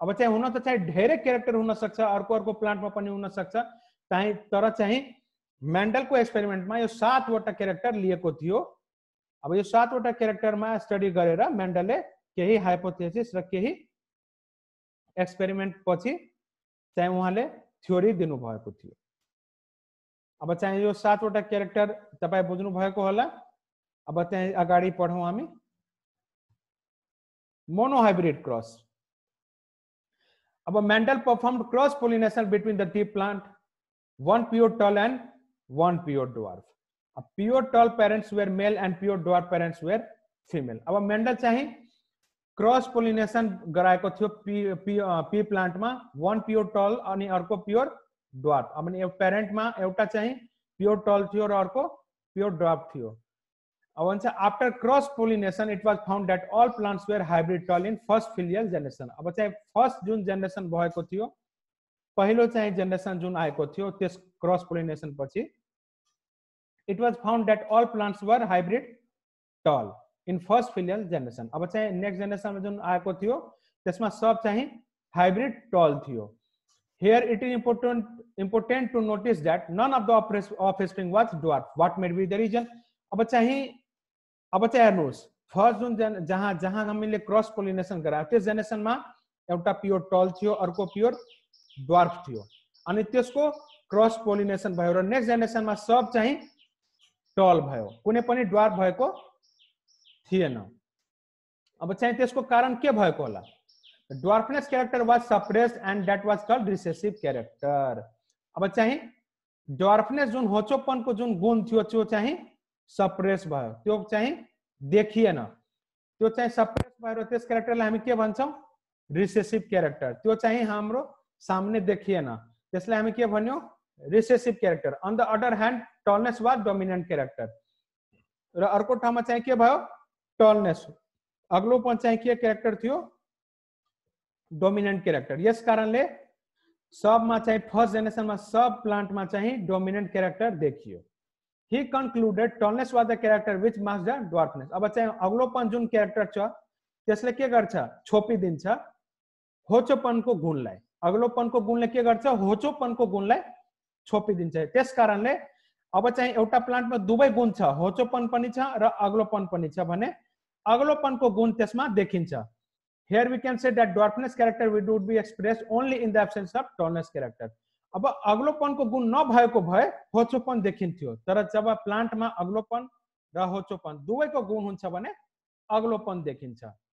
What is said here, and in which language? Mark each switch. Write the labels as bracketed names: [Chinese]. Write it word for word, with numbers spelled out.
[Nepali] अब चाहिँ हुन त चाहिँ धेरै क्यारेक्टर हुन सक्छ, अर्को अर्को प्लान्टमा पनि हुन सक्छ, चाहिँ तर चाहिँ मेन्डलको एक्सपेरिमेन्टमा यो सातवटा क्यारेक्टर लिएको थियो। अब यो सातवटा क्यारेक्टरमा स्टडी गरेर मेन्डलले केही हाइपोथेसिस र केही एक्सपेरिमेन्ट पछि चाहिँ उहाँले थ्योरी दिनुभएको थियो। अब चाहिँ यो सातवटा क्यारेक्टर तपाईँ बुझ्नुभएको होला। अब त्यहाँ अगाडि पढौँ हामी। [English] Monohybrid cross, अब Mendel perform cross pollination between the tea plant, one pure tall and one pure dwarf. अब pure tall parents were male and pure dwarf parents were female. [Nepali] अब मेन्डल चाहिँ क्रस पोलिनेसन गराएको थियो pea pea प्लान्टमा, [English] one pure tall [Nepali] अनि अर्को pure dwarf. अब यो प्यारेन्टमा एउटा चाहिँ प्योर टल थियो र अर्को प्योर ड्वार्फ थियो। अब भन्छ [English] After cross pollination it was found that all plants were hybrid tall in first filial generation. [Nepali] अब चाहिँ फर्स्ट जुन जेनेरेसन भएको थियो, पहिलो चाहिँ जेनेरेसन जुन आएको थियो त्यस क्रस पोलिनेसन पछि, [English] it was found that all plants were hybrid tall in first filial generation. [Nepali] अब चाहिँ next generation में जो आएको थियो त्यसमा सब चाहिँ hybrid tall थियो। [English] Here it is important important to notice that none of the offspring was dwarf. What may be the reason? [Nepali] अब चाहिँ अब चाहिँ हेर्नुहोस्, फर्स्ट जुन जहाँ जहाँ हामीले क्रस पोलिनेसन गरायो त्यस जेनेरेसनमा एउटा प्योर टल थियो, अर्को प्योर ड्वार्फ थियो, अनि त्यसको क्रस पोलिनेसन भयो र नेक्स्ट जेनेरेसनमा सब चाहिँ टल भयो कुनै पनि ड्वार्फ भएको थिएन। अब चाहिँ त्यसको कारण के भएको होला? [English] Dwarfness character was suppressed and that was called recessive character. [Nepali] अब चाहिँ ड्वार्फनेस जुन होचोपनको जुन गुण थियो त्यो चाहिँ सप्रेस भयो, त्यो चाहिँ देखिएन, त्यो चाहिँ सप्रेस भयो। त्यस क्यारेक्टरलाई हामी के भन्छौँ? Recessive character. त्यो चाहिँ हाम्रो सामने देखिएन, त्यसलाई हामी के भन्यौँ? Recessive character. [English] On the other hand tallness was dominant character. [Nepali] र अर्को ठाउँमा चाहिँ के भयो? [English] Tallness. [Nepali] अग्लोपन चाहिँ के क्यारेक्टर थियो? Dominant character. यस कारणले सबमा चाहिँ फर्स्ट जेनेरेसनमा सब प्लान्टमा चाहिँ डोमिनेन्ट क्यारेक्टर देखियो। [English] He concluded tallness was the character which marks the dwarfness. [Nepali] अब चाहिँ अग्लोपन जुन क्यारेक्टर छ त्यसले के गर्छ? छोपिदिन्छ होचोपनको गुणलाई। अग्लोपनको गुणले के गर्छ? होचोपनको गुणलाई छोपिदिन्छ। त्यस कारणले अब चाहिँ एउटा प्लान्टमा दुवै गुण छ, होचोपन पनि छ र अग्लोपन पनि छ भने अग्लोपनको गुण त्यसमा देखिन्छ। [English] Here we can say that dwarfness character would be expressed only in the absence of tallness character. [Nepali] अब अग्लोपन को गुण नभएको भए होचोपन देखिन्थ्यो, तर जब प्लान्टमा अग्लोपन र होचोपन दुवैको गुण हुन्छ भने अग्लोपन देखिन्छ।